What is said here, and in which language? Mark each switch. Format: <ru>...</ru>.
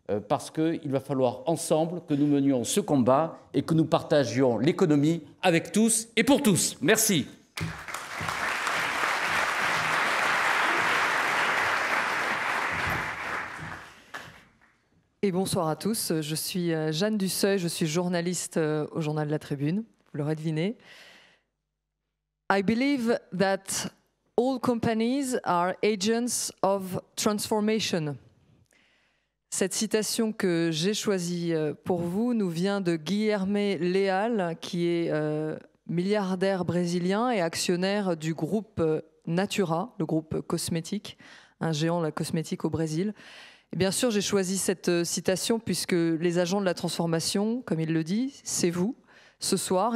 <fr>Parce qu'il va falloir ensemble que nous menions ce combat et que nous partagions l'économie avec tous et pour tous. Merci. Et bonsoir à tous. Je suis Jeanne Duceuil, je suis journaliste au journal La Tribune, vous l'aurez deviné.</fr> <en>I believe that all companies are agents of transformation.</en> <fr>Cette citation que j'ai choisie pour vous nous vient de Guilherme Leal, qui est milliardaire brésilien et actionnaire du groupe Natura, le groupe cosmétique, un géant de la cosmétique au Brésil. Et bien sûr, j'ai choisi cette citation puisque les agents de la transformation, comme il le dit, c'est vous ce soir.</fr>